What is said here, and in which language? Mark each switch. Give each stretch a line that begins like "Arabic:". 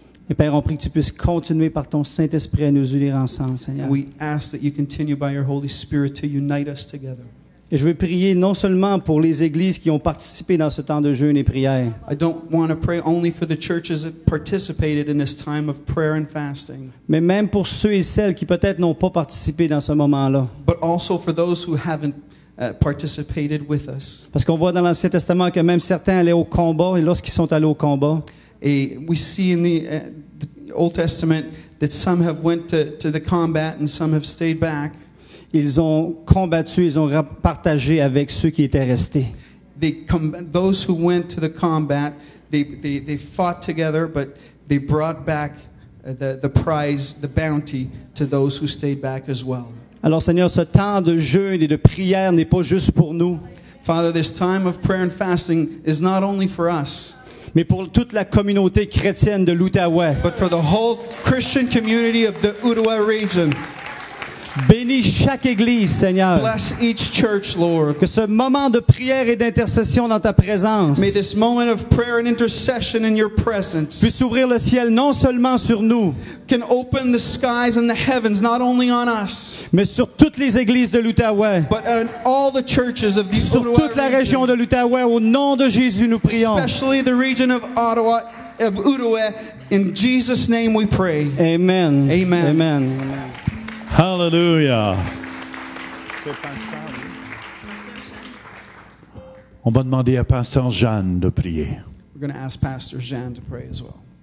French: Et Père, on prie que tu puisses continuer par ton Saint-Esprit à nous unir ensemble, Seigneur.
English: We ask that you continue by your Holy Spirit to unite us together.
French: Et je veux prier non seulement pour les églises qui ont participé dans ce temps de jeûne et prière.
English: I don't want to pray only for the churches that participated in this time of prayer and fasting.
French: Mais même pour ceux et celles qui peut-être n'ont pas participé dans ce moment-là.
English: But also for those who haven't participated with us.
French: Parce qu'on voit dans l'Ancien Testament que même certains allaient au combat et lorsqu'ils sont allés au combat.
English: Et we see in the Old Testament that some have went to the combat and some have stayed back.
French: Ils ont combattu, ils ont partagé avec ceux qui étaient restés.
English: Those who went to the combat, they fought together, but they brought back the prize, the bounty to those who stayed back as well.
French: Alors Seigneur, ce temps de jeûne et de prière n'est pas juste pour nous.
English: Father, this time of prayer and fasting is not only for us.
French: Mais pour toute la communauté chrétienne de l'Outaouais.
English: But for the whole Christian community of the Outaouais region.
French: Bénis chaque église, Seigneur.
English: Bless each church, Lord.
French: Que ce moment de prière et d'intercession dans ta présence.
English: May this moment of prayer and intercession in your presence.
French: Puisse ouvrir le ciel non seulement sur nous.
English: Can open the skies and the heavens not only on us.
French: Mais sur toutes les églises de l'Outaouais.
English: But on all the churches of the
French: Outaouais. Sur toute la région de l'Outaouais, au nom de Jésus, nous prions.
English: Especially the region of Ottawa, of Outaouais. In Jesus' name we pray. Amen. Amen. Amen. Hallelujah.
French: On va demander à Pasteur Jeanne de prier.
English: We're going to ask Pastor Jeanne to pray as well.